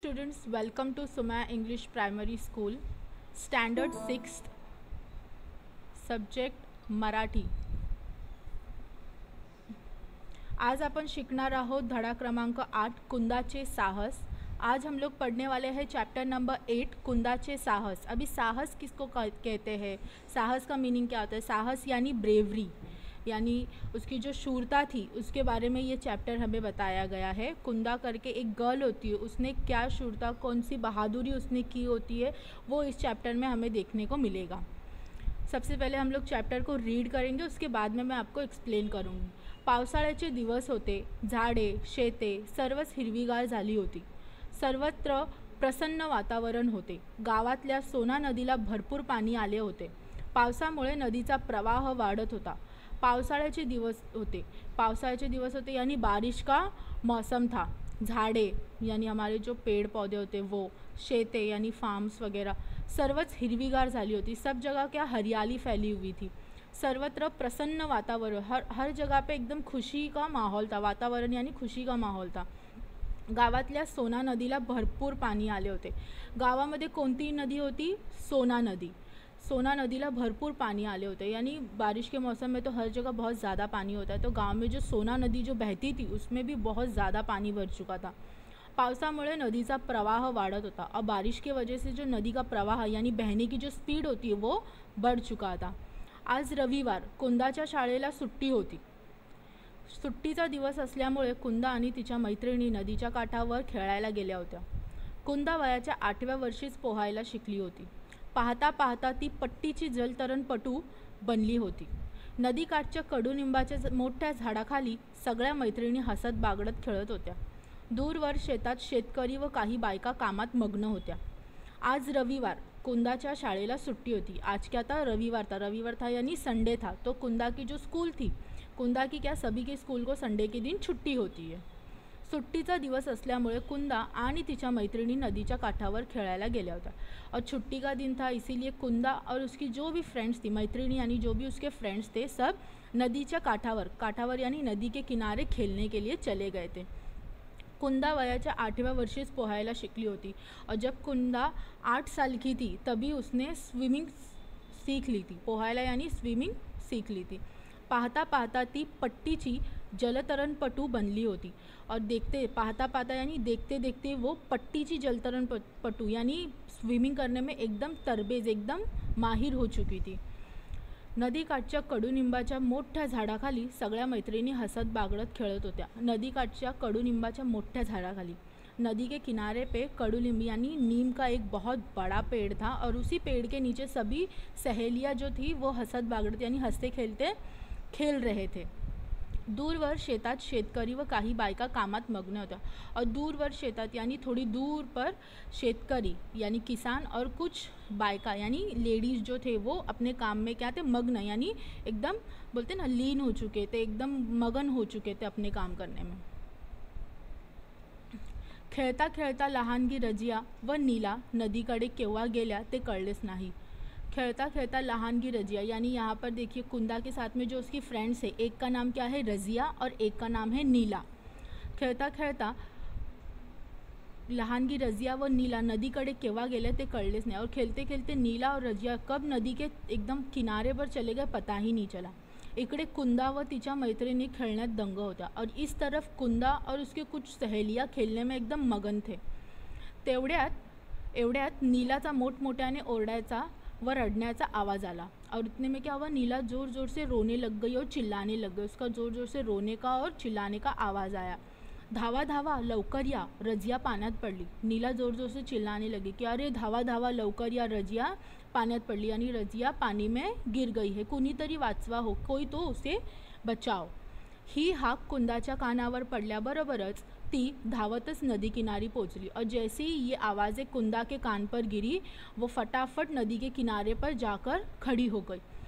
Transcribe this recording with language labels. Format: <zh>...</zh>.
<en>Students, welcome to Suma English primary school, standard 6, subject Marathi.</en> <mr>आज अपन शिकणार आहोत धड़ा क्रमांक 8, कुंदाचे साहस।</mr> <hi>आज हम लोग पढ़ने वाले हैं चैप्टर नंबर 8, कुंदाचे साहस। अभी साहस किसको कहते हैं, साहस का मीनिंग क्या होता है? साहस यानी ब्रेवरी, यानी उसकी जो शूरता थी उसके बारे में ये चैप्टर हमें बताया गया है। कुंदा करके एक गर्ल होती है, उसने क्या शूरता, कौन सी बहादुरी उसने की होती है, वो इस चैप्टर में हमें देखने को मिलेगा। सबसे पहले हम लोग चैप्टर को रीड करेंगे, उसके बाद में मैं आपको एक्सप्लेन करूँगी।</hi> <mr>पावसाळ्याचे दिवस होते, झाडे शेते सर्वच हिरवीगार झाली होती, सर्वत्र प्रसन्न वातावरण होते। गावातल्या सोना नदीला भरपूर पाणी आले होते, पावसामुळे नदीचा प्रवाह वाढत होता। पावसाळ्याचे दिवस होते, पावसाळ्याचे दिवस होते</mr> <hi>यानी बारिश का मौसम था। झाड़े यानी हमारे जो पेड़ पौधे होते वो, शेते यानी फार्म्स वगैरह,</hi> <mr>सर्वच हिरवीगार झाली होती,</mr> <hi>सब जगह क्या हरियाली फैली हुई थी।</hi> <mr>सर्वत्र प्रसन्न वातावरण,</mr> <hi>हर जगह पे एकदम खुशी का माहौल था, वातावरण यानी खुशी का माहौल था।</hi> <mr>गावातल्या सोना नदीला भरपूर पाणी आले होते, गावामध्ये कोणती नदी होती? सोना नदी। सोना नदीला भरपूर पानी आले होते</mr> <hi>यानी बारिश के मौसम में तो हर जगह बहुत ज़्यादा पानी होता है, तो गांव में जो सोना नदी जो बहती थी उसमें भी बहुत ज़्यादा पानी भर चुका था।</hi> <mr>पावसामुळे नदीचा प्रवाह वाढत होता,</mr> <hi>और बारिश के वजह से जो नदी का प्रवाह यानी बहने की जो स्पीड होती है वो बढ़ चुका था।</hi> <mr>आज रविवार, कुंदाच्या शाळेला सुट्टी होती, सुट्टीचा दिवस असल्यामुळे कुंदा आणि तिच्या मैत्रिणी नदीच्या काठावर खेळायला गेल्या होत्या। कुंदा वयाच्या 8व्या वर्षीच पोहायला शिकली होती, पाहता पाहता ती पट्टीची जलतरणपटू बनली होती। नदीकाठच्या कडुनिंबाच्या मोठ्या झाडाखाली सगळ्या मैत्रिणी हसत बागडत खेळत होत्या। दूरवर शेतात शेतकरी व काही बायका कामात मग्न होत्या। आज रविवार, कुंदाच्या शाळेला सुट्टी होती,</mr> <hi>आज क्या था? रविवार था। रविवार था यानी संडे था, तो कुंदा की जो स्कूल थी, कुंदा की क्या, सभी के स्कूल को संडे के दिन छुट्टी होती है।</hi> <mr>सुट्टीचा दिवस असल्यामुळे कुंदा आणि तिच्या मैत्रिणी नदीच्या काठावर खेळायला गेल्या होत्या,</mr> <hi>और छुट्टी का दिन था इसीलिए कुंदा और उसकी जो भी फ्रेंड्स थी, मैत्रिणी यानी जो भी उसके फ्रेंड्स थे, सब नदीच्या काठावर यानी नदी के किनारे खेलने के लिए चले गए थे।</hi> <mr>कुंदा वयाच्या 8व्या वर्षीच पोहायला शिकली होती,</mr> <hi>और जब कुंदा 8 साल की थी तभी उसने स्विमिंग सीख ली थी, पोहायला यानी स्विमिंग सीख ली थी।</hi> <mr>पाहता पाहता ती पट्टीची जलतरणपटू बनली होती,</mr> <hi>और देखते पाहता पाहता यानी देखते देखते वो पट्टीची जलतरणपटू यानी स्विमिंग करने में एकदम तरबेज, एकदम माहिर हो चुकी थी।</hi> <mr>नदीकाठच्या कडुनिंबाच्या मोठ्या झाडाखाली सगळ्या मैत्रिणी हसत बागडत खेळत होत्या। नदीकाठच्या कडुनिंबाच्या मोठ्या झाडाखाली,</mr> <hi>नदी के किनारे पे कडुनिंब यानी नीम का एक बहुत बड़ा पेड़ था, और उसी पेड़ के नीचे सभी सहेलियाँ जो थी वो हसत बागड़त यानी हंसते खेलते खेल रहे थे।</hi> <mr>दूरवर शेतात शेतकरी व काही बायका कामात मग्न होत्या,</mr> <hi>और दूरवर शेतात यानी थोड़ी दूर पर शेतकरी यानी किसान और कुछ बायका यानी लेडीज जो थे वो अपने काम में क्या थे, मग्न यानी एकदम बोलते ना लीन हो चुके थे, एकदम मगन हो चुके थे अपने काम करने में।</hi> <mr>खेळता खेळता लहानगी रजिया व नीला नदीकडे केव्हा गेल्या ते कळलेच नाही।</mr> <hi>खेळता खेळता लहानगी रजिया यानी यहाँ पर देखिए कुंदा के साथ में जो उसकी फ्रेंड्स है, एक का नाम क्या है? रजिया, और एक का नाम है नीला।</hi> <mr>खेळता खेळता लहानगी रजिया व नीला नदीकडे केव्हा गेले ते कळलेच नाही,</mr> <hi>और खेलते खेलते नीला और रजिया कब नदी के एकदम किनारे पर चले गए पता ही नहीं चला।</hi> <mr>इकडे कुंदा व तिच्या मैत्रिणी खेळण्यात दंग होता,</mr> <hi>और इस तरफ कुंदा और उसके कुछ सहेलियाँ खेलने में एकदम मगन थे।</hi> <mr>तेवढ्यात नीलाचा मोठमोठ्याने ओरडायचा व रडण्याचा आवाज आला,</mr> <hi>और इतने में क्या हुआ, नीला जोर जोर से रोने लग गई और चिल्लाने लग गई, उसका जोर जोर से रोने का और चिल्लाने का आवाज़ आया।</hi> <mr>धावा धावा लवकर या, रजिया पाण्यात पडली।</mr> <hi>नीला जोर जोर से चिल्लाने लगी कि अरे</hi> <mr>धावा धावा लवकर या, रजिया पाण्यात पडली</mr> <hi>यानी रजिया पानी में गिर गई है,</hi> <mr>कुणी तरी वाचवा हो,</mr> <hi>कोई तो उसे बचाओ।</hi> <mr>ही हाक कुंदाच्या कानावर पडल्याबरोबरच ती धावतच नदी किनारी पोचली,</mr> <hi>और जैसे ही ये आवाज़ें कुंदा के कान पर गिरी वो फटाफट नदी के किनारे पर जाकर खड़ी हो गई।</hi>